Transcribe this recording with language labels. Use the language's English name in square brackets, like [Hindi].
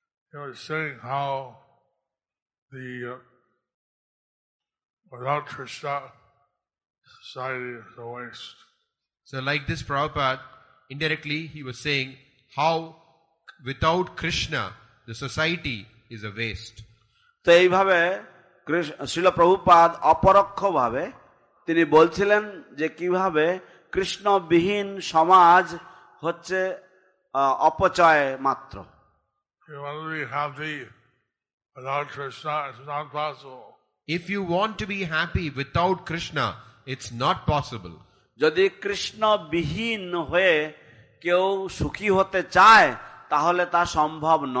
[English] He was saying how the without Krishna society is a waste. So like this Prabhupada, indirectly he was saying how without Krishna the society is a waste. [Bangla] তো এইভাবে শ্রীল প্রভুপাদ অপরোক্ষভাবে তিনি বলছিলেন যে কিভাবে কৃষ্ণবিহীন সমাজ হচ্ছে অপচয় মাত্র. [English] You want to be happy without Krishna, it's not possible. If you want to be happy without Krishna, it's not possible. [Bangla] যদি কৃষ্ণ বিহীন হয়ে কেউ সুখী হতে চায় তাহলে তা সম্ভব